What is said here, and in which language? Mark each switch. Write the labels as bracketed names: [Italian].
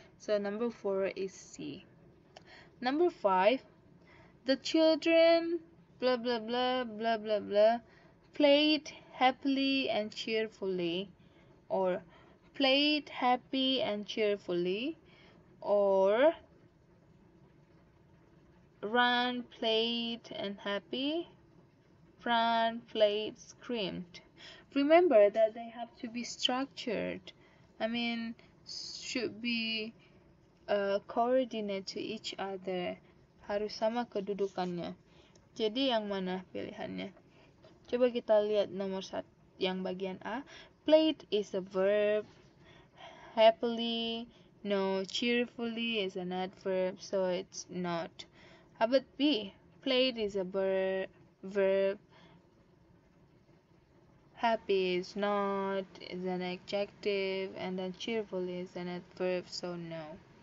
[English] So number four is C. Number five, the children, blah blah blah blah blah blah, played happily and cheerfully, or played happy and cheerfully, or run, played and happy, run, played, screamed. Remember that they have to be structured. I mean, should be coordinate to each other. [Indonesian] Harus sama kedudukannya. Jadi yang mana pilihannya? Coba kita lihat nomor satu yang bagian A. [English] Played is a verb. Happily, no, cheerfully is an adverb, so it's not. How about B? Played is a verb. Happy is not is an adjective, and then cheerful is an adverb, so no.